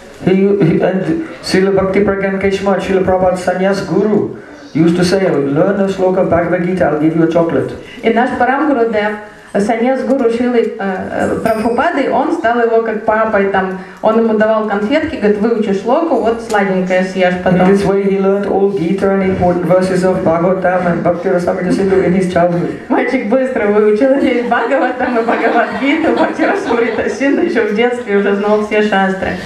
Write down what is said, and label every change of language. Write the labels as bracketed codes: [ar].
[en] And Srila Bhakti Pragyan Keshmat, Srila Prabhupada Sannyas Guru, used to say, learn a sloka of Bhagavad Gita, I'll give you a chocolate. [ru] И наш Парам Гуру Дев, Sannyas Guru Шрилы Прабхупады, он стал его как папой, там, он ему давал конфетки, говорит, выучи шлоку, вот сладенькое съешь потом. [en] In this way he learned all Gita and important verses of Bhagavatam and Bhakti Rasamrita Sindhu in his childhood. [ru] Мальчик быстро выучил весь Бхагаватам и Бхагавадгиту, Бхакти Расамрита Синдху еще в детстве уже знал все шастры.